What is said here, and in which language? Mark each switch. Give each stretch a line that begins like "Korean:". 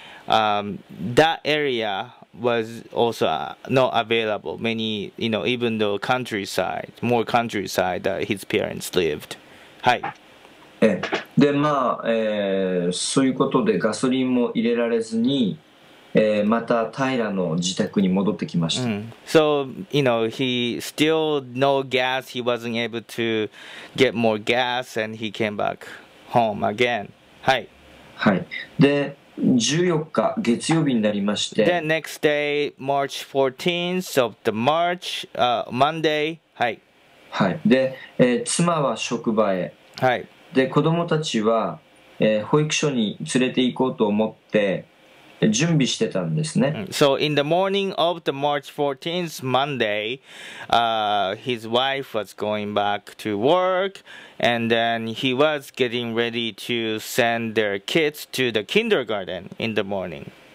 English: That area was also not available. Many, you know, even though more countryside that his parents lived.
Japanese: はい。で、まあ、そういうことでガソリンも入れられずに、また平の自宅に戻ってきました。 Mm.
English: So, you know, he still no gas. He wasn't able to get more gas, and he came back home again. はい。
Japanese: はい。で、14日月曜日になりまして。
English: The next day, March 14th of the March, Monday.
Japanese: はい。はい。で、妻は職場へ。はい。で、子供たちは、保育所に連れて行こうと思って、準備してたんですね。
English: So in the morning of the March 14th, Monday, his wife was going back to work, and then he was getting ready to send their kids to the kindergarten in the morning.